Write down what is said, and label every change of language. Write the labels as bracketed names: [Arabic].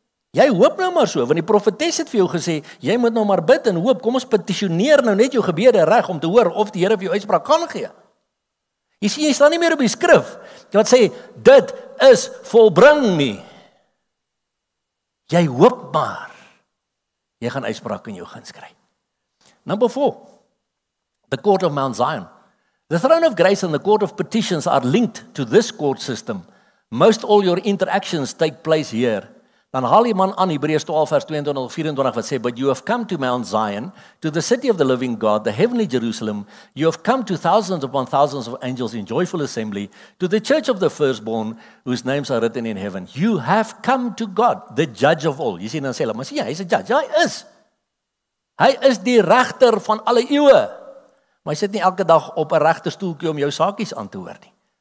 [Afrikaans] Jy hoop nou maar so, want die profetes het vir jou gesê, jy moet nou maar bid en hoop, kom ons petitioneer nou net jou gebede reg om te hoor of die Here vir jou uitspraak kan gee. Jy sien, jy staan nie meer op die skrif, wat sê, dit is volbring nie. Jy hoop maar, jy gaan uitspraak in jou guns kry. [English] Number 4, the court of Mount Zion. The throne of grace and the court of petitions are linked to this court system. Most all your interactions take place here. [Afrikaans] Dan haal die man aan, Hebreërs 12 vers 22 24, wat sê, [English] but you have come to Mount Zion, to the city of the living God, the heavenly Jerusalem. You have come to thousands upon thousands of angels in joyful assembly, to the church of the firstborn, whose names are written in heaven. You have come to God, the judge of all. [Afrikaans] Jy sê, dan sê hulle, maar sê, ja, hy is [English] a judge. [Afrikaans] Ja, hy is die regter van alle eeuwe. Maar hy sit nie elke dag op 'n regte stoelkie om jou saakies aan te hoor nie.